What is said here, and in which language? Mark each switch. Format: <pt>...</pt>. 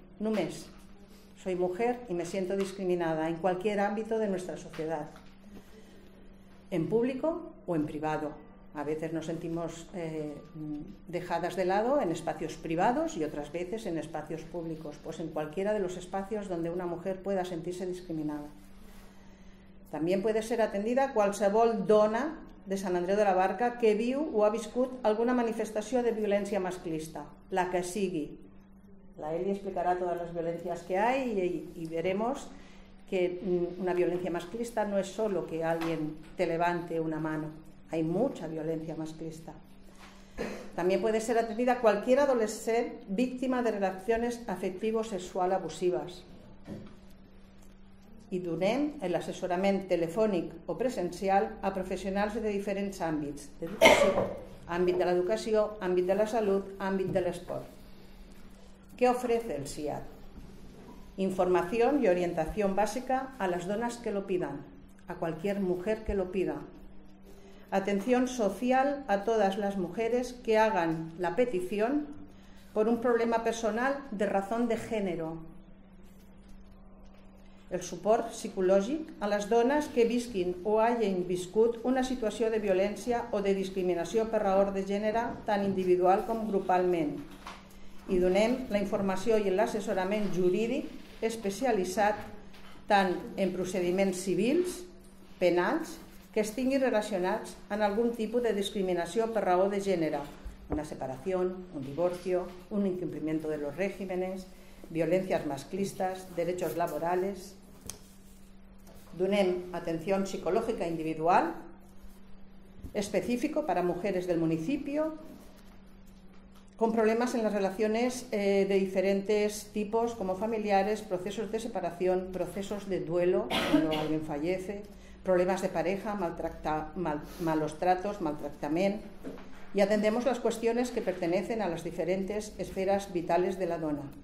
<es>Només soy mujer y me siento discriminada en cualquier ámbito de nuestra sociedad, en público o en privado. A veces nos sentimos dejadas de lado en espacios privados y otras veces en espacios públicos, pues en cualquiera de los espacios donde una mujer pueda sentirse discriminada. También puede ser atendida</es> <ca>qualsevol dona de Sant Andreu de la Barca que viu o ha viscut alguna manifestació de violència masclista, la que sigui. La Eli explicarà totes les violències que hi ha i veremos que una violència masclista no és</ca> <es>solo que alguien te levante una mano, hay mucha</es> <ca>violència masclista.</ca> <es>També puede ser atendida cualquier adolescent víctima de relaciones afectivo-sexual abusivas.</es> <ca>I donem l'assessorament telefònic o presencial a professionals de diferents àmbits: àmbit de l'educació, àmbit de la salut, àmbit de l'esport.</ca> <es>Què ofrece el SIAT? Información y orientación básica a las donas que lo pidan, a cualquier mujer que lo pida. Atención social a todas las mujeres que hagan la petición por un problema personal de razón de género.</es> <ca>El suport psicològic a les dones que visquin o hagin viscut una situació de violència o de discriminació per raó de gènere, tant individual com grupalment. I donem la informació i l'assessorament jurídic especialitzat tant en procediments civils, penals, que estiguin relacionats amb algun tipus de discriminació per raó de gènere, una separació, un divorci, un incompliment dels règimes, violències masclistes, drets laborals.</ca> <es>Donem atención psicológica individual, específico para mujeres del municipio, con problemas en las relaciones de diferentes tipos, como familiares, procesos de separación, procesos de duelo cuando alguien fallece, problemas de pareja, malos tratos, maltratamiento, y atendemos las cuestiones que pertenecen a las diferentes esferas vitales de la dona.</es>